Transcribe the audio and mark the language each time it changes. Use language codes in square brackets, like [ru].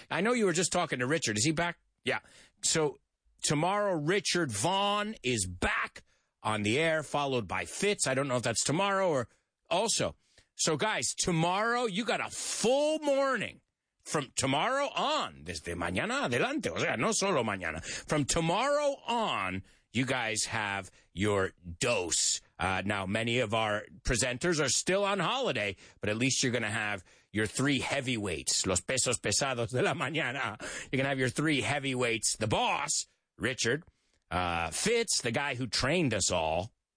[en] I know you were just talking to Richard. Is he back? Yeah. So tomorrow, Richard Vaughn is back on the air, followed by Fitz. I don't know if that's tomorrow or also, so guys, tomorrow you got a full morning from tomorrow on. [es] Desde mañana adelante, o sea, no solo mañana. [en] From tomorrow on, you guys have your dose. Now, many of our presenters are still on holiday, but at least you're going to have your three heavyweights, [es] los pesos pesados de la mañana. [en] You're going to have your three heavyweights, the boss, Richard, Fitz, the guy who trained us all.